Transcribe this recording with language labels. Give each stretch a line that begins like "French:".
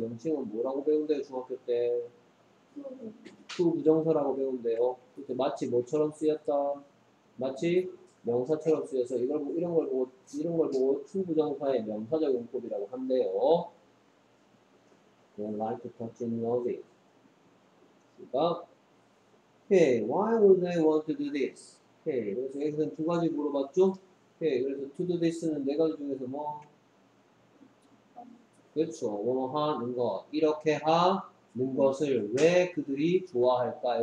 Korean: 명칭은 뭐라고 배운대요? 중학교 때 투 부정사라고 배운대요. 그때 마치 뭐처럼 쓰였다. 마치 명사처럼 쓰여서 이걸 보고 이런 걸 보고 투부정사의 명사적 용법이라고 한대요.
English: They like to touch and love it.
Korean: 그러니까,
English: hey, why would they want to do this?
Korean: Hey, 그래서 여기서 두 가지 물어봤죠. Hey, 그래서
English: to do this
Korean: 는 네 가지 중에서 뭐, 그렇죠. 뭐 하는 것, 이렇게 하는 것을 왜 그들이 좋아할까요?